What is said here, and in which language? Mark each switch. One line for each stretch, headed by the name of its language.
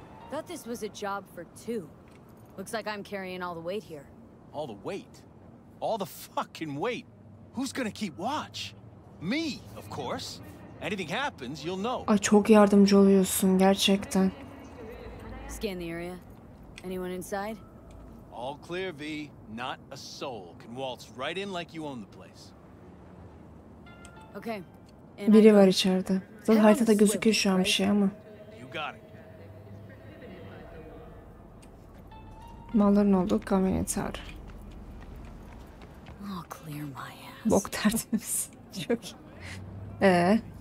English: Thought this was a job for two. Looks like I'm carrying all the weight here. All the weight? All the fucking weight? Who's gonna keep watch? Me, of course. Anything happens, you'll know.
Turkish: Ay çok yardımcı oluyorsun gerçekten.
English: Scan the area. Anyone inside? All clear, V. Not a soul. Can waltz right in like you own the place. Okay.
Turkish: Biri var içeride. Zaten haritada gözüküyor şu an bir şey ama.
English: You got it.
Turkish: Malların olduğu kamyonet ağır.
English: I'll clear my ass.
Turkish: Bok tertemiz. Çok iyi.